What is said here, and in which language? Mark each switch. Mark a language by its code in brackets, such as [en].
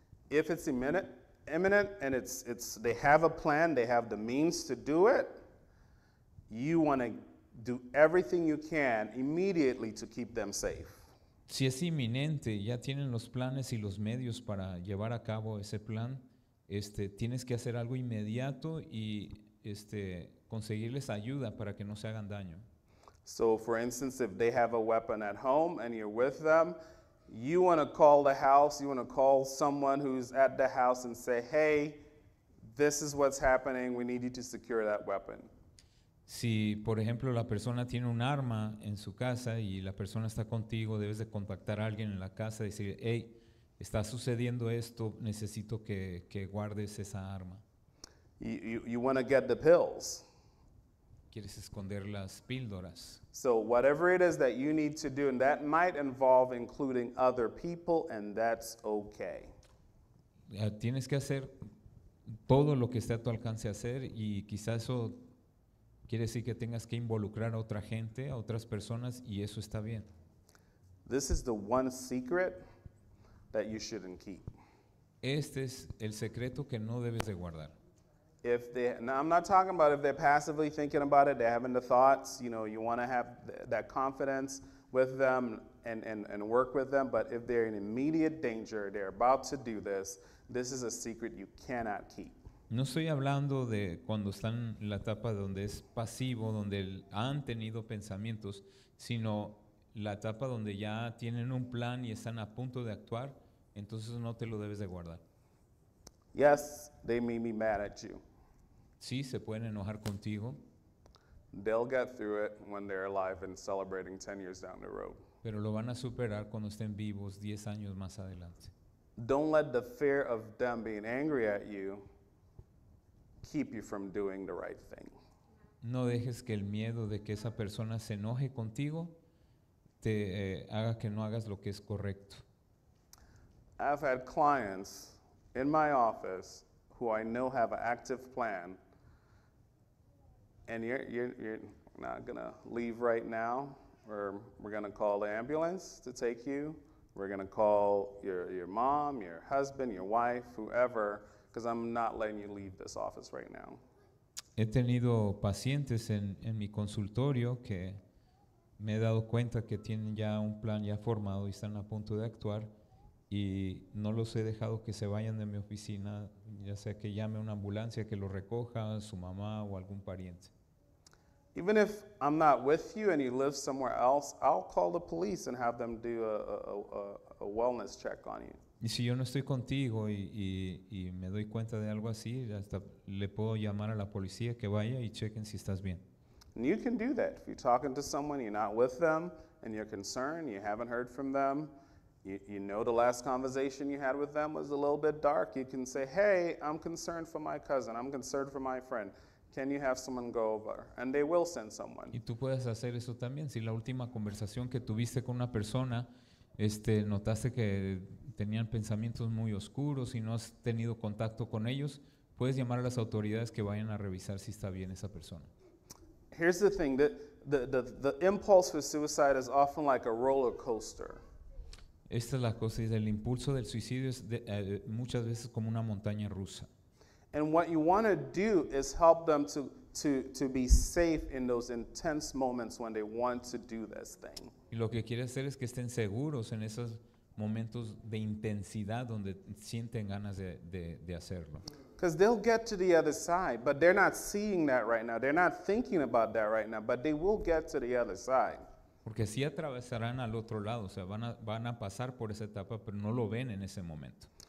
[en] If it's imminent and it's they have a plan, they have the means to do it, you want to do everything you can immediately to keep them safe. [es] Si es inminente, ya tienen los planes y los medios para llevar a cabo ese plan, tienes que hacer algo inmediato y conseguirles ayuda para que no se hagan daño. [en] So, for instance, if they have a weapon at home and you're with them, you want to call the house, you want to call someone who's at the house and say, hey, this is what's happening, we need you to secure that weapon. [es] Si, por ejemplo, la persona tiene un arma en su casa y la persona está contigo, debes de contactar a alguien en la casa y decir, hey, está sucediendo esto, necesito que guardes esa arma. [en] You want to get the pills. [es] Quieres esconder las píldoras. [en] So whatever it is that you need to do, and that might involve including other people, and that's okay. [es] Tienes que hacer todo lo que esté a tu alcance hacer y quizás eso quiere decir que tengas que involucrar a otra gente, a otras personas, y eso está bien. [en] This is the one secret that you shouldn't keep. [es] Este es el secreto que no debes de guardar. [en] I'm not talking about if they're passively thinking about it, they're having the thoughts, you know, you want to have that confidence with them and work with them, but if they're in immediate danger, they're about to do this, this is a secret you cannot keep. [es] No estoy hablando de cuando están en la etapa donde es pasivo, donde han tenido pensamientos, sino la etapa donde ya tienen un plan y están a punto de actuar, entonces no te lo debes de guardar. [en] Yes, they may be mad at you. [es] Sí, se pueden enojar contigo. [en] They'll get through it when they're alive and celebrating 10 years down the road. [es] Pero lo van a superar cuando estén vivos 10 años más adelante. [en] Don't let the fear of them being angry at you keep you from doing the right thing. [es] No dejes que el miedo de que esa persona se enoje contigo te haga que no hagas lo que es correcto. [en] I've had clients in my office who I know have an active plan, and you're not gonna leave right now, or we're gonna call the ambulance to take you. We're gonna call your mom, your husband, your wife, whoever, because I'm not letting you leave this office right now. [es] He tenido pacientes en mi consultorio que me he dado cuenta que tienen ya un plan ya formado y están a punto de actuar y no los he dejado que se vayan de mi oficina, ya sea que llame una ambulancia que lo recoja, su mamá o algún pariente. [en] Even if I'm not with you and you live somewhere else, I'll call the police and have them do a wellness check on you. [es] Y si yo no estoy contigo y me doy cuenta de algo así, hasta le puedo llamar a la policía que vaya y chequen si estás bien. [en] And you can do that. If you're talking to someone, you're not with them, and you're concerned, you haven't heard from them, you know the last conversation you had with them was a little bit dark, you can say, hey, I'm concerned for my cousin, I'm concerned for my friend. Can you have someone go over? And they will send someone. [es] Y tú puedes hacer eso también. Si la última conversación que tuviste con una persona, notaste que tenían pensamientos muy oscuros y no has tenido contacto con ellos, puedes llamar a las autoridades que vayan a revisar si está bien esa persona. [en] Here's the thing, the impulse for suicide is often like a roller coaster. [es] Esta es la cosa, el impulso del suicidio es muchas veces como una montaña rusa. [en] And what you want to do is help them to be safe in those intense moments when they want to do this thing. [es] Y lo que quiere hacer es que estén seguros en esos momentos de intensidad donde sienten ganas de hacerlo. [en] Because they'll get to the other side, but they're not seeing that right now. They're not thinking about that right now, but they will get to the other side. [es] Porque sí atravesarán al otro lado, o sea, van a pasar por esa etapa, pero no lo ven en ese momento.